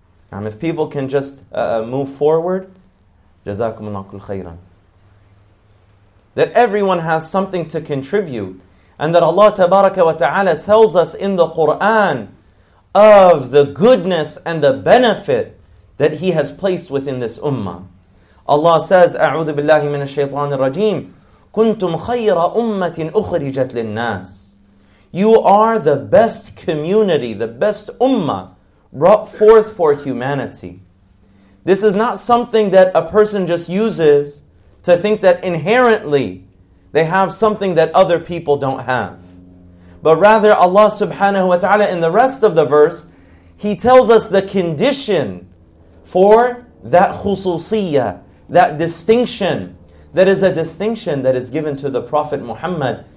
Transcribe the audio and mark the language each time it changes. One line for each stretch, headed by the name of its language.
English: And if people can just move forward, jazakumullahu kull khayran. That everyone has something to contribute, and that Allah tabaraka wa ta'ala tells us in the Quran of the goodness and the benefit that He has placed within this ummah. Allah says,
Arabic: أعوذ بالله من الشيطان الرجيم كنتم خير أمة أخرجت للناس.
English: You are the best community, the best ummah brought forth for humanity. This is not something that a person just uses to think that inherently they have something that other people don't have. But rather Allah subhanahu wa ta'ala in the rest of the verse, He tells us the condition for that khususiyah, that distinction, that is a distinction that is given to the Prophet Muhammad